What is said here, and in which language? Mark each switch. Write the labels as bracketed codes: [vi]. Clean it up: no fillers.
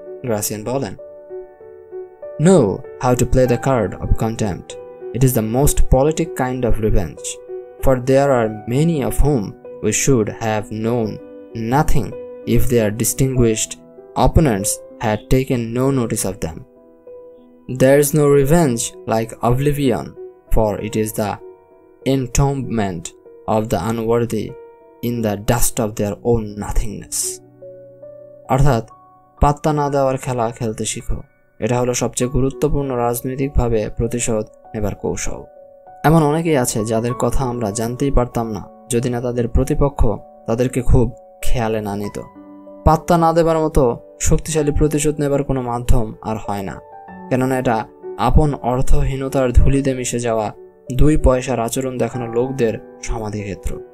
[en] Gracian বলেন, know how to play the card of contempt, it is the most politic kind of revenge, for there are many of whom we should have known nothing if their distinguished opponents had taken no notice of them. There is no revenge like oblivion, for it is the entombment of the unworthy in the dust of their own nothingness. [bn] অর্থাৎ পাত্তা না দেওয়ার খেলা খেলতে শিখো, এটা হলো সবচেয়ে গুরুত্বপূর্ণ রাজনৈতিকভাবে প্রতিশোধ নেবার কৌশল। এমন অনেকেই আছে যাদের কথা আমরা জানতেই পারতাম না যদি না তাদের প্রতিপক্ষ তাদেরকে খুব খেয়ালে না নিত। পাত্তা না দেবার মতো শক্তিশালী প্রতিশোধ নেবার কোনো মাধ্যম আর হয় না, কেননা এটা আপন অর্থহীনতার ধুলিতে মিশে যাওয়া দুই পয়সার আচরণ দেখানো লোকদের সমাধিক্ষেত্র।